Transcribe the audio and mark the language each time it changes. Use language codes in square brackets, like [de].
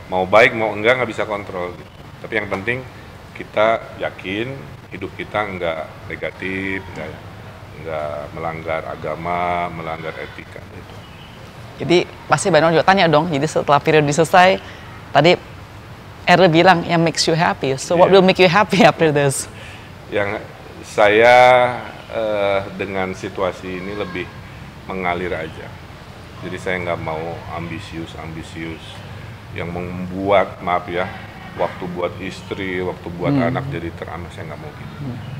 [id] Mau baik mau enggak nggak bisa kontrol. Tapi yang penting kita yakin hidup kita nggak negatif, nggak melanggar agama, melanggar etika itu. Jadi pasti banyak juga tanya dong. Jadi setelah periode selesai, tadi Erle bilang yang [en] makes you happy. So what will make you happy after this? [id] Yang saya dengan situasi ini lebih mengalir aja. Jadi saya nggak mau ambisius yang membuat, maaf ya, waktu buat istri, waktu buat anak jadi teramat, saya nggak mau gitu.